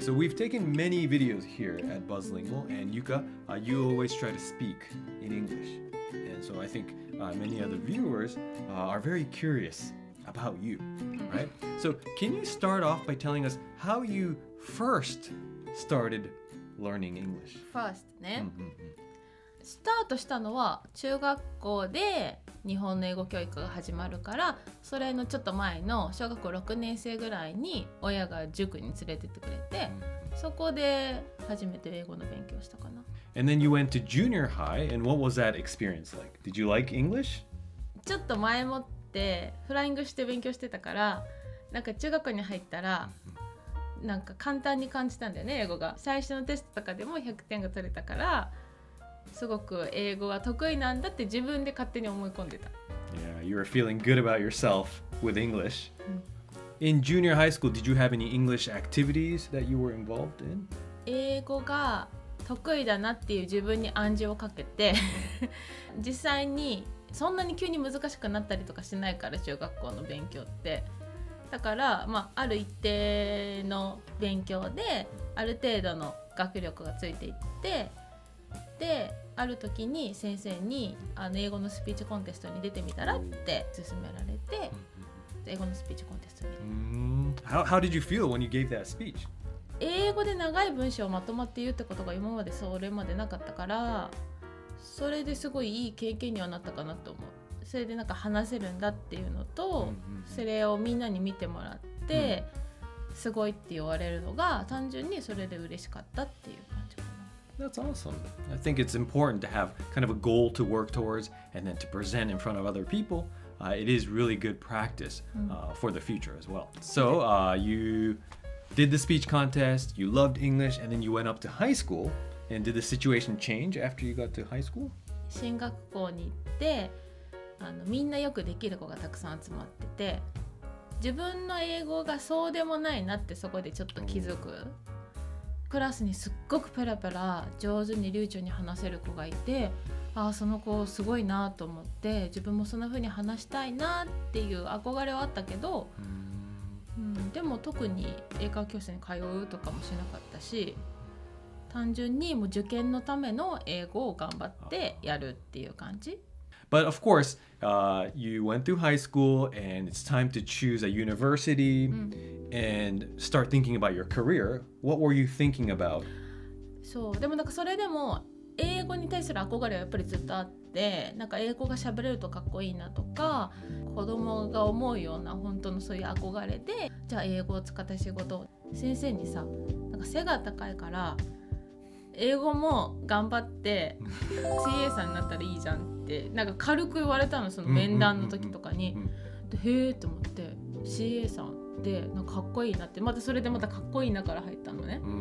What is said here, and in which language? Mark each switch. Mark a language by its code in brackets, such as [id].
[en] so we've taken many videos here at Buzzlingual, and Yuka, you always try to speak in English. And so I think many other viewers are very curious about you, right? So can you start off by telling us how you first started learning English? First, [ja] ね。スタートしたのは中学校で日本の英語教育が始まるからそれのちょっと前の小学校6年生ぐらいに親が塾に連れてってくれてそこで初めて英語の勉強したかな。 [en] And then you went to junior high and what was that experience like? Did you like English? [ja] ちょっと前もってフライングして勉強してたからなんか中学校に入ったらなんか簡単に感じたんだよね英語が。最初のテストとかでも100点が取れたからすごく英語は得意なんだって自分で勝手に思い込んでた。 [en] Yeah, you were feeling good about yourself with English. In junior high school, did you have any English activities that you were involved in? [ja] 英語が得意だなっていう自分に暗示をかけて実際にそんなに急に難しくなったりとかしないから中学校の勉強ってだから、まあ、ある一定の勉強である程度の学力がついていってで、ある時に先生に英語のスピーチコンテストに出てみたらって勧められて英語のスピーチコンテストに。 [en] How did you feel when you gave that speech? [ja] 英語で長い文章をまとまって言うってことが今までそれまでなかったからそれですごいいい経験にはなったかなと思う。それでなんか話せるんだっていうのとそれをみんなに見てもらってすごいって言われるのが単純にそれで嬉しかったっていう。 [en] That's awesome. I think it's important to have kind of a goal to work towards and then to present in front of other people. It is really good practice for the future as well. So you did the speech contest, you loved English, and then you went up to high school. And did the situation change after you got to high school? [ja] 進学校に行って、みんなよくできる子がたくさん集まってて、自分の英語がそうでもないなってそこでちょっと気づく。クラスにすっごくペラペラ上手に流暢に話せる子がいてああその子すごいなと思って自分もそんな風に話したいなっていう憧れはあったけど、でも特に英会話教室に通うとかもしなかったし単純にもう受験のための英語を頑張ってやるっていう感じ。 [en] But of course, you went through high school and it's time to choose a university and start thinking about your career. What were you thinking about? [ja] そう、でもなんかそれでも英語に対する憧れはやっぱりずっとあって、なんか英語が喋れるとかっこいいなとか、子供が思うような本当のそういう憧れで、じゃあ英語を使った仕事を先生にさ、なんか背が高いから英語も頑張って CA さんになったらいいじゃんってなんか軽く言われたのその面談の時とかにでへーって思って CA さんってなんかかっこいいなってまたそれでまたかっこいいなから入ったのね